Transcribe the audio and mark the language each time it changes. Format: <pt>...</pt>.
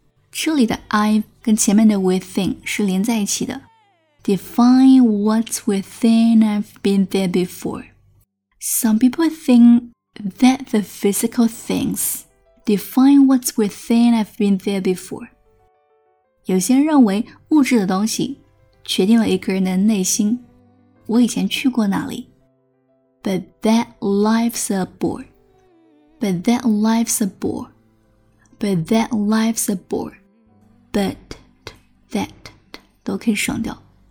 <zh>这里的 I 跟前面的 within 是连在一起的。</zh> <en>Define what's within I've been there before. Some people think that the physical thingsDefine what's within, I've been there before.</en> <zh>有些人认为物质的东西决定了一个人的内心。我以前去过哪里。</zh> <en>But that life's a bore. But that life's a bore. But that life's a bore. But that</en> <zh>都可以省掉。</zh>